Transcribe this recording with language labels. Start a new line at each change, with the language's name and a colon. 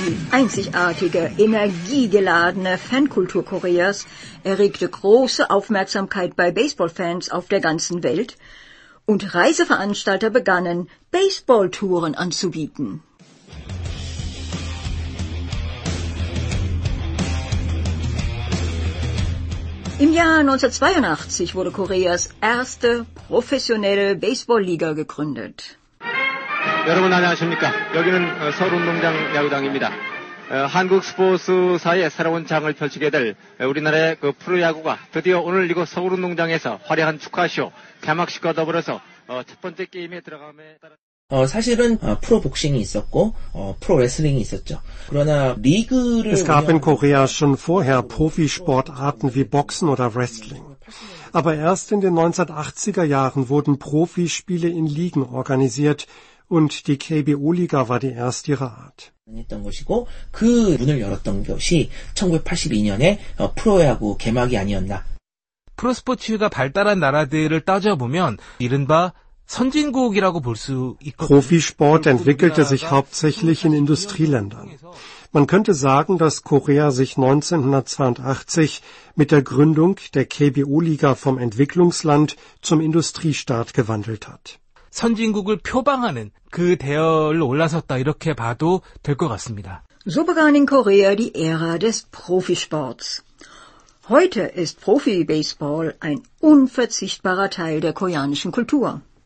German: Einzigartige, energiegeladene Fankultur Koreas erregte große Aufmerksamkeit bei Baseballfans auf der ganzen Welt und Reiseveranstalter begannen, Baseballtouren anzubieten. Im Jahr 1982 wurde Koreas erste professionelle Baseballliga gegründet.
Korean: 여러분 안녕하십니까? 여기는 서울운동장 야구장입니다. 한국 스포츠사의 새로운 장을 펼치게 될 우리나라의 그 프로야구가 드디어 오늘 이곳 서울운동장에서 화려한 축하쇼 개막식과 더불어서 첫 번째 게임에 들어감에 따라 사실은 프로복싱이 있었고 프로레슬링이 있었죠. 그러나 리그를
German: Es gab in Korea schon vorher Profisportarten wie Boxen oder Wrestling. Aber erst in den 1980er Jahren wurden Profispiele in Ligen organisiert und die KBO-Liga war die erste ihrer Art.
Korean: 했던 것이고 그 문을 열었던 것이 1982년에 프로야구 개막이 아니었나. 프로스포츠가 발달한 나라들을 따져보면 이른바 선진국이라고 볼 수 있거든요.
German: Profisport entwickelte sich hauptsächlich in Industrieländern. Man könnte sagen, dass Korea sich 1982 mit der Gründung der KBO-Liga vom Entwicklungsland zum Industriestaat gewandelt hat.
Korean: 선진국을 표방하는 그 대열로 올라섰다 이렇게 봐도 될 것 같습니다.
German: So begann in Korea die Ära des Profisports. Heute ist Profi-Baseball ein unverzichtbarer Teil der koreanischen Kultur.